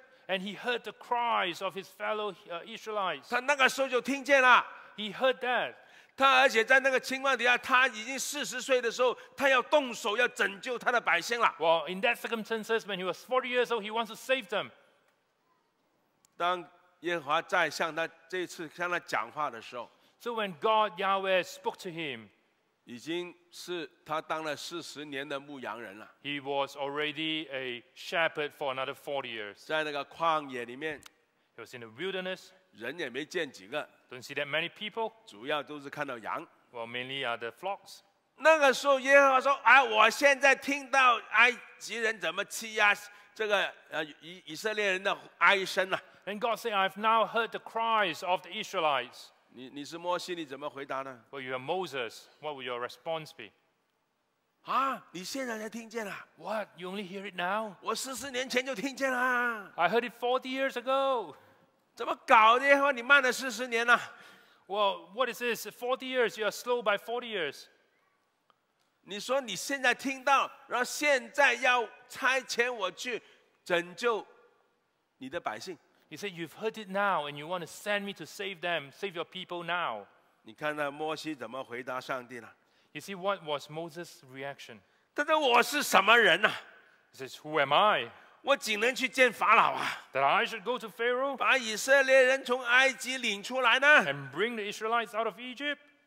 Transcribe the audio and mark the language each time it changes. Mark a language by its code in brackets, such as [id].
[en] And he heard the cries of his fellow Israelites. [zh] 他那个时候就听见了。 [en] He heard that. [zh] 他而且在那个情况底下，他已经40岁的时候，他要动手要拯救他的百姓了。 [en] Well, in that circumstances, when he was 40 years old, he wants to save them. [zh] 当耶和华再向他这次向他讲话的时候 [en] ，So when God Yahweh spoke to him， [zh] 已经是他当了四十年的牧羊人了。 [en] He was already a shepherd for another 40 years. [zh] 在那个旷野里面 [en] ，He was in the wilderness. [zh] 人也没见几个 [en] ，Don't see that many people. [zh] 主要都是看到羊 [en] ，Well, mainly are the flocks. [zh] 那个时候耶和华说：“哎，我现在听到埃及人怎么欺压这个以色列人的哀声了。 [en] ”And God said, "I've now heard the cries of the Israelites." [zh] 你是摩西，你怎么回答呢 [en] ？Well, you are Moses. What would your response be? [zh] 啊，你现在才听见了 [en] ？What? You only hear it now? [zh] 我四十年前就听见了。 [en] I heard it 40 years ago. [zh] 怎么搞的？你慢了四十年了。 [en] Well, what is this? 40 years? You are slow by 40 years. [zh] 你说你现在听到，然后现在要差遣我去拯救你的百姓。 [en] He said, "You've heard it now, and you want to send me to save them, save your people now." [zh] 你看那摩西怎么回答上帝呢 [en] ？You see what was Moses' reaction? [zh] 他说我是什么人呐 [en] ？He says, "Who am I?" [zh] 我只能去见法老啊。 [en] That I should go to Pharaoh? [zh] 把以色列人从埃及领出来呢 [en] ？And bring the Israelites out of Egypt?